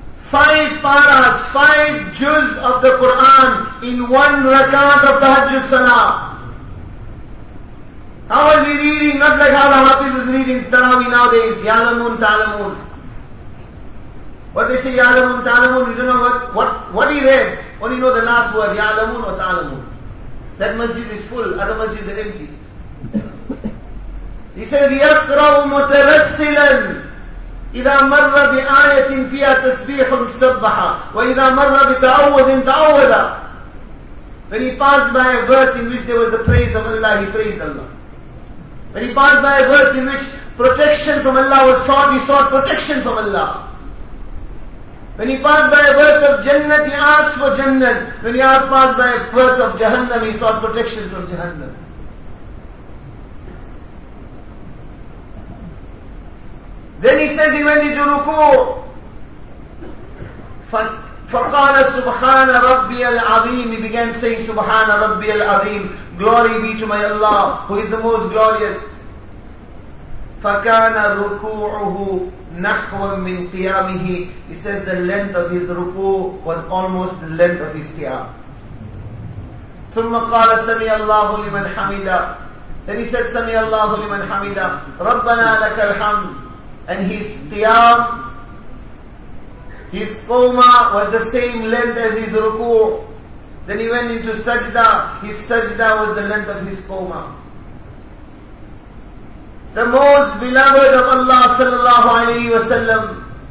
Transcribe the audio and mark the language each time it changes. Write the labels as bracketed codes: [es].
[en] 5 paras, 5 juz of the Quran in 1 rakat of Tahajjud Salah. How is he reading? Not like how the Hafiz is reading Taraweeh nowadays. يَعْلَمُونَ تَعْلَمُونَ. What they say, يَعْلَمُونَ تَعْلَمُونَ. We don't know what he read. Only know the last word, يَعْلَمُونَ وَتَعْلَمُونَ. That masjid is full, other masjid is empty. [ar] He says, يَقْرَوْ مُتَرَسِّلًا إِذَا مَرَّ بِآيَةٍ فِيهَا تَسْبِيحٌ سَبَّحَ وَإِذَا مَرَّ بِتَعَوَّذٍ تَعَوَّذَ. [en] When he passed by a verse in which there was the praise of Allah, he praised Allah. When he passed by a verse in which protection from Allah was sought, he sought protection from Allah. When he passed by a verse of Jannat, he asked for Jannat. When he passed by a verse of Jahannam, he sought protection from Jahannam. Then he says he went into ruku. [ar] فَقَالَ سُبْحَانَ رَبِّيَ الْعَظِيمِ. He began saying, سُبْحَانَ رَبِّيَ الْعَظِيمِ. [en] Glory be to my Allah, who is the most glorious. [ar] فَكَانَ رُكُوعُهُ نَحْوًا مِنْ قِيَامِهِ. [en] He says the length of his ruku was almost the length of his qiyam. [ar] ثُمَّ قَالَ سَمِيَ اللَّهُ لِمَنْ حَمِدَ. Then he said, سَمِيَ اللَّهُ لِمَنْ حَمِدَ. رَبَّنَا لَكَ الْحَمْدُ. [en] And his qiyam, his qawma was the same length as his ruku. Then he went into sajda. His sajda was the length of his qawma. The most beloved of Allah sallallahu alayhi wa sallam.